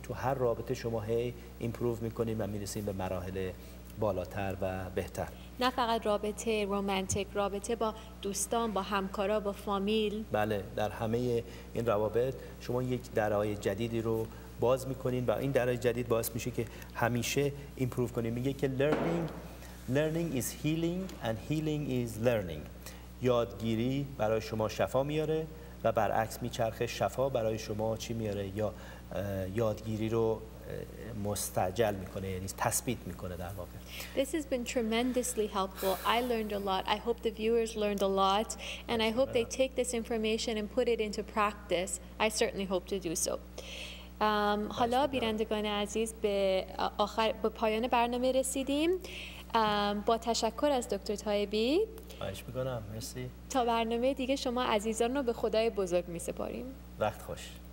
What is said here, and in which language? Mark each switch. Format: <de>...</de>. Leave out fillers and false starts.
<fa>تو هر رابطه شما هی ایمپروف میکنین و میرسین به مراحل بالاتر و بهتر. نه فقط رابطه رومانتیک، رابطه با دوستان، با همکارا، با فامیل. بله، در همه این روابط شما یک درهای جدیدی رو باز میکنین و این درهای جدید باعث میشه که همیشه ایمپروف کنین. میگه که</fa> <en>learning is healing and healing is learning.</en> <fa>یادگیری برای شما شفا میاره و برعکس میچرخه، شفا برای شما چی میاره؟ یا یادگیری رو مستعجل میکنه، یعنی تثبیت میکنه در واقع.</fa> <en>This has been tremendously helpful. I learned a lot. I hope the viewers learned a lot and I hope they take this information and put it into practice. I certainly hope to do so.</en> <fa>حالا بینندگان عزیز به پایان برنامه رسیدیم. با تشکر از دکتر طایبی. خواهش میکنم. مرسی. تا برنامه دیگه شما عزیزان رو به خدای بزرگ میسپاریم. وقت خوش.</fa>